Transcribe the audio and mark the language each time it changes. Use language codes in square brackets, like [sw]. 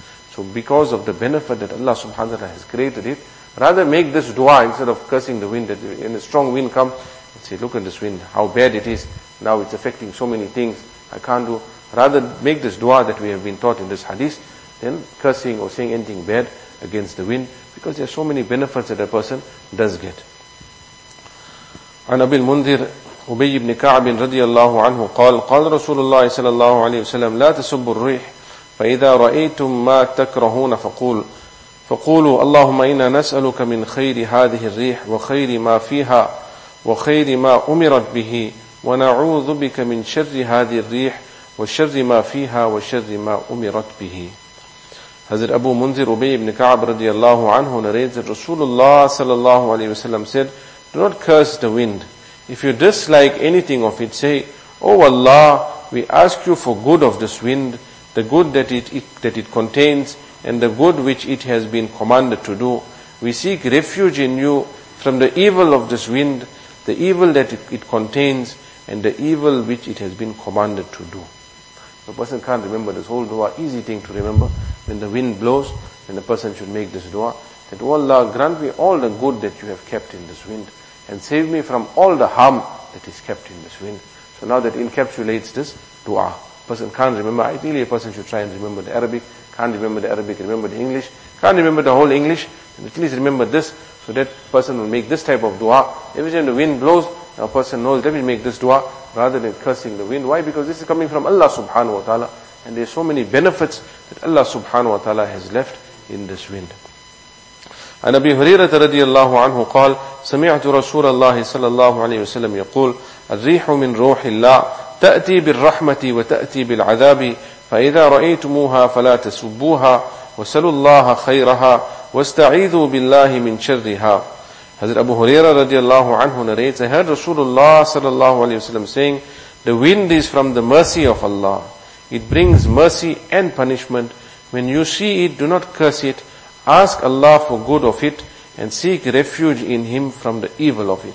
[en] So because of the benefit that Allah subhanahu wa ta'ala has created it, rather make this dua instead of cursing the wind. That in a strong wind comes, and say, look at this wind, how bad it is. Now it's affecting so many things, I can't do. Rather make this dua that we have been taught in this hadith, than cursing or saying anything bad against the wind, because there are so many benefits that a person does get. [ar] And Abil Mundir, أبي بن كعب رضي الله عنه قال قال رسول الله صلى الله عليه وسلم لا تسبوا الريح فإذا رأيتم ما تكرهون فقولوا اللهم إنا نسألك من خير هذه الريح وخير ما فيها وخير ما أمرت به ونعوذ بك من شر هذه الريح وشر ما فيها وشر ما أمرت به. حضرت أبو منذر أبي بن كعب رضي الله عنه [en] narrates that [ar] رسول الله صلى الله عليه وسلم [en] said, do not curse the wind. If you dislike anything of it, say, oh Allah, we ask you for good of this wind, the good that it contains, and the good which it has been commanded to do. We seek refuge in you from the evil of this wind, the evil that it contains, and the evil which it has been commanded to do. The person can't remember this whole dua. Easy thing to remember. When the wind blows, then the person should make this dua, that oh Allah, grant me all the good that you have kept in this wind, and save me from all the harm that is kept in this wind. So now that encapsulates this dua. Person can't remember. Ideally a person should try and remember the Arabic. Can't remember the Arabic, remember the English. Can't remember the whole English, and at least remember this. So that person will make this type of dua. Every time the wind blows, a person knows, let me make this dua, rather than cursing the wind. Why? Because this is coming from Allah subhanahu wa ta'ala. And there are so many benefits that Allah subhanahu wa ta'ala has left in this wind. [ar] عن أبي هريرة رضي الله عنه قال سمعت رسول الله صلى الله عليه وسلم يقول الريح من روح الله تأتي بالرحمة وتأتي بالعذاب فإذا رأيتموها فلا تسبوها وسلوا الله خيرها واستعيذوا بالله من شرها. حضرت أبو هريرة رضي الله عنه [en] narrates, I heard [ar] رسول الله صلى الله عليه وسلم [en] saying, the wind is from the mercy of Allah. It brings mercy and punishment. When you see it, do not curse it. Ask Allah for good of it and seek refuge in Him from the evil of it.